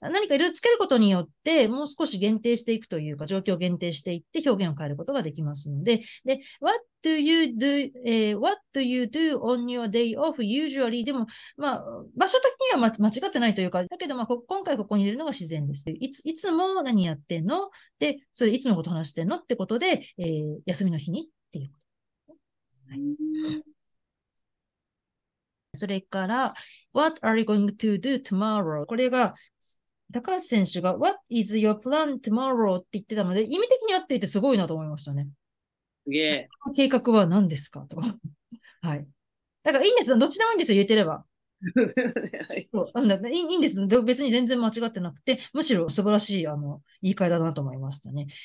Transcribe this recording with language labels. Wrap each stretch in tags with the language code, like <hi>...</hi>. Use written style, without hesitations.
<ja>何かいろいろつけることによって、もう少し限定していくというか、状況を限定していって表現を変えることができますので、で、</ja> <en>what do you do on your day off usually?</en> <ja>でも、まあ、場所的には間違ってないというか、だけど、まあ、今回ここに入れるのが自然です。いつも何やってんの?で、それいつのこと話してんのってことで、休みの日にっていうこと。はい。それから、</ja> <en>What are you going to do tomorrow?</en> <ja>これが、高橋選手が、</ja> <en>What is your plan tomorrow?</en> <ja>って言ってたので、意味的に合っていてすごいなと思いましたね。すげえ。計画は何ですかとか。はい。だからいいんです。どっちでもいいんですよ。言えてれば。はい、そう、いいんです。別に全然間違ってなくて、むしろ素晴らしい言い換えだなと思いましたね。</ja>